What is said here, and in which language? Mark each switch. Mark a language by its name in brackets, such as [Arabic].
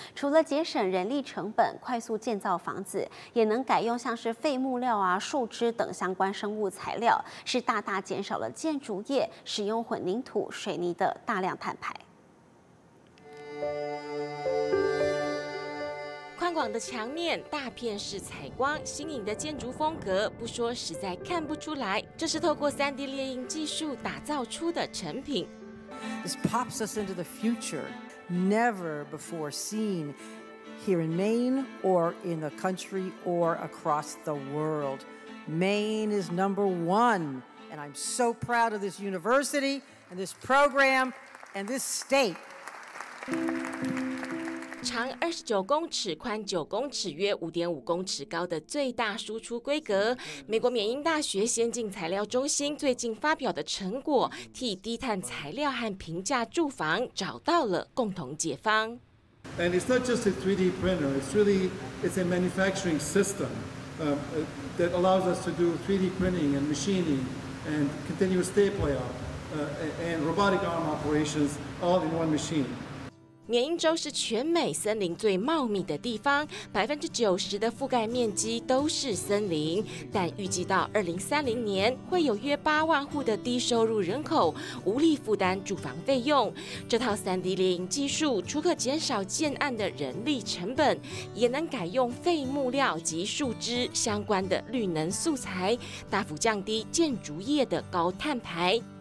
[Chinese] 除了节省人力成本，快速建造房子，也能改用像是废木料啊、树枝等相关生物材料，是大大减少了建筑业使用混凝土、水泥的大量碳排。宽广的墙面、大片式采光、新颖的建筑风格，不说实在看不出来，这是透过 3D 列印技术打造出的成品。 [English] This pops us into the future, never before seen here in Maine or in the country or across the world. Maine is number one. And I'm so proud of this university and this program and this state. [Chinese] 长29公尺、宽9公尺、约5.5公尺高的最大输出规格，美国缅因大学先进材料中心最近发表的成果，替低碳材料和平价住房找到了共同解方。 [English] And it's not just a 3D printer; it's a manufacturing system, that allows us to do 3D printing and machining. And continuous tape layout, and robotic arm operations all in one machine. [Chinese] 缅因州是全美森林最茂密的地方，90%的覆盖面积都是森林。但预计到2030年，会有约8万户的低收入人口无力负担住房费用。这套 3D 列印技术除可减少建案的人力成本，也能改用废木料及树枝相关的绿能素材，大幅降低建筑业的高碳排。